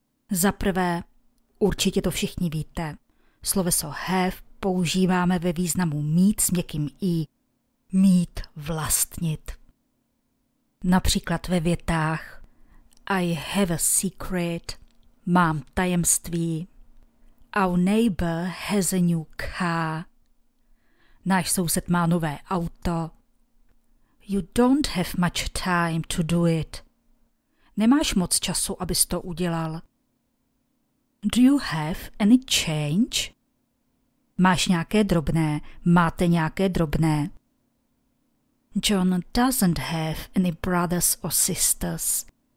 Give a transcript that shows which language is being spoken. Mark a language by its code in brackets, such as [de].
[cs] Za prvé, určitě to všichni víte, sloveso have používáme ve významu mít s měkkým i, mít, vlastnit. Například ve větách [en] I have a secret, [cs] mám tajemství, [en] our neighbor has a new car, [cs] náš soused má nové auto. [en] You don't have much time to do it. [cs] Nemáš moc času, abys to udělal. [en] Do you have any change? [cs] Máš nějaké drobné, máte nějaké drobné. [en] John doesn't have any brothers or sisters.